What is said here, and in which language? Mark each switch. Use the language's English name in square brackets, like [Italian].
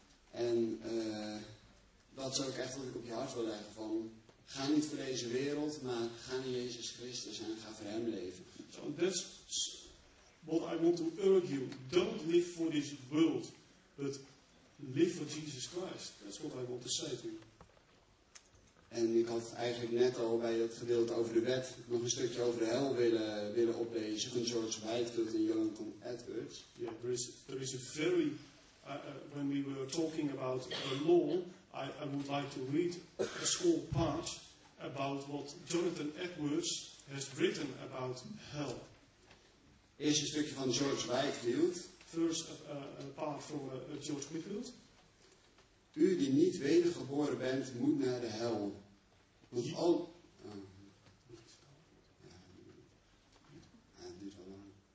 [Dutch] En dat zou ik echt wat ik op je hart wil leggen van: ga niet voor deze wereld, maar ga naar Jezus Christus en ga voor hem leven. [English] So that's what I want to urge you. Don't live for this world, but live for Jesus Christ. That's what I want to say to you. [Dutch] En ik had eigenlijk net al bij het gedeelte over de wet nog een stukje over de hel willen oplezen van George Whitefield en Jonathan Edwards. [English] Ja, yeah, there is a very when we were talking about the law, I would like to read a small part about what Jonathan Edwards has written about hell. [Dutch] Eerst een stukje van George Whitefield. [English] First a part from George Whitefield. [Dutch] U die niet wedergeboren bent, moet naar de hel. Want al... Ja, het duurt wel lang.